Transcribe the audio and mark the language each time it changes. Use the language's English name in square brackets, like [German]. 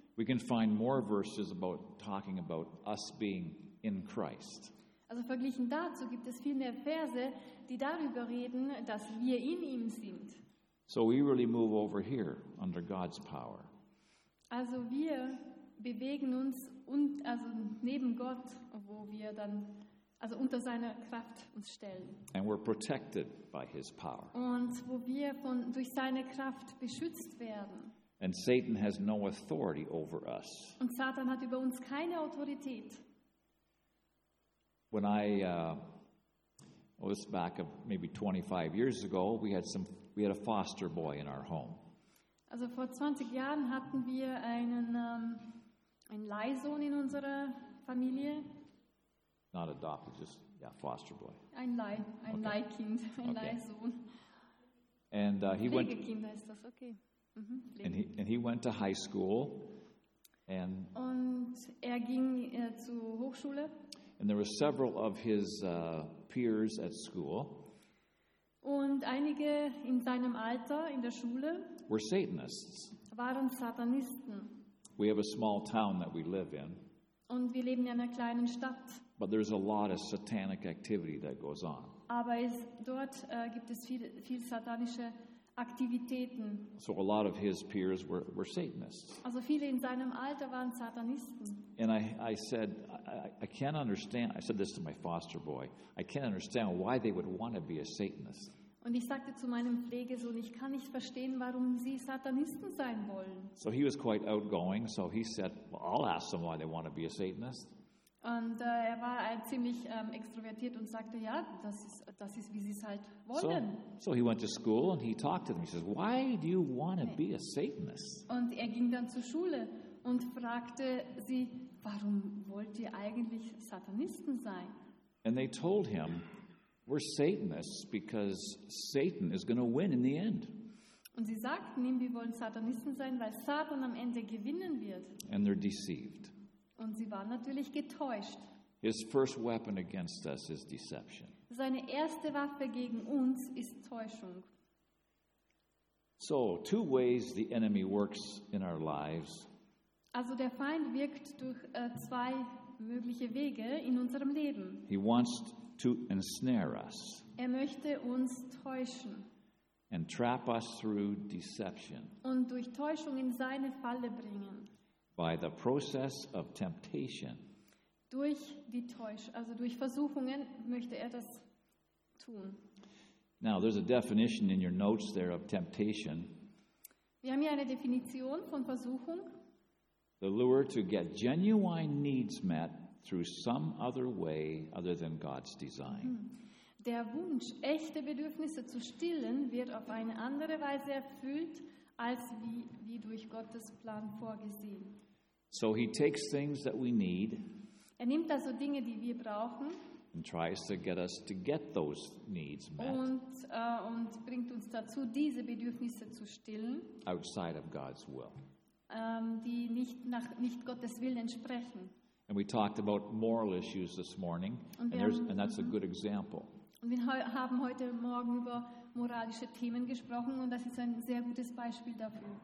[English] we can find more verses about talking about us being in Christ. [German] Also verglichen dazu gibt es viel mehr Verse, die darüber reden, dass wir in ihm sind. [English] So we really move over here under God's power. [German] Also wir bewegen uns neben Gott, wo wir dann unter seiner Kraft uns stellen. [English] And we're protected by his power. [German] Und wo wir durch seine Kraft beschützt werden. [English] And Satan has no authority over us. [German] Und Satan hat über uns keine Autorität. [English] When I was back of maybe 25 years ago, we had a foster boy in our home. [German] Also vor 20 Jahren hatten wir einen Leihsohn in unserer Familie. [English] Not adopted, just yeah, foster boy. [German] Leihkind, Leihsohn. [English] And he went. [German] Pflegekinder ist das, okay. [English] And he went to high school. And. [German] Und er ging zur Hochschule. [English] And there were several of his peers at school. [German] Und einige in seinem Alter in der Schule [English] were Satanists. [German] waren Satanisten. [English] We have a small town that we live in. [German] Und wir leben in einer kleinen Stadt. [English] But there's a lot of satanic activity that goes on. [German] Aber es, dort gibt es viel, viel satanische Aktivitäten. [English] So a lot of his peers were Satanists. [German] Also viele in seinem Alter waren Satanisten. [English] And I said, I can't understand. I said this to my foster boy. I can't understand why they would want to be a Satanist. [German] Und ich sagte zu meinem Pflegesohn, ich kann nicht verstehen, warum sie Satanisten sein wollen. [English] So he was quite outgoing, so he said, well, I'll ask them why they want to be a Satanist. [German] Und er war ziemlich extrovertiert und sagte, ja, das ist, wie sie es halt wollen. [English] So he went to school and he talked to them. He says, why do you want to be a Satanist? [German] Und er ging dann zur Schule und fragte sie, warum wollt ihr eigentlich Satanisten sein? [English] And they told him, we're Satanists because Satan is going to win in the end. [German] Und sie sagten ihm, wir wollen Satanisten sein, weil Satan am Ende gewinnen wird. [English] And they're deceived. [German] Und sie waren natürlich getäuscht. [English] His first weapon against us is deception. [German] Seine erste Waffe gegen uns ist Täuschung. [English] So, two ways the enemy works in our lives. [German] Also der Feind wirkt durch zwei mögliche Wege in unserem Leben. [English] He wants to ensnare us. [German] Er möchte uns täuschen. [English] And trap us through deception. [German] Und durch Täuschung in seine Falle bringen. [English] By the process of temptation. [German] Durch die Täuschung, also durch Versuchungen möchte er das tun. [English] Now there's a definition in your notes there of temptation. [German] Wir haben hier eine Definition von Versuchung. [English] The lure to get genuine needs met through some other way other than God's design. [German] Der Wunsch, echte Bedürfnisse zu stillen, wird auf eine andere Weise erfüllt, als wie durch Gottes Plan vorgesehen. [English] So he takes things that we need. [German] Er nimmt also Dinge, die wir brauchen. [English] And tries to get us to get those needs met. [German] Und bringt uns dazu, diese Bedürfnisse zu stillen. [English] Outside of God's will. [German] Die nicht Gottes Willen entsprechen. [English] And we talked about moral issues this morning, and that's a good example. [German] Und wir haben heute Morgen über moralische Themen gesprochen, und das ist ein sehr gutes Beispiel dafür.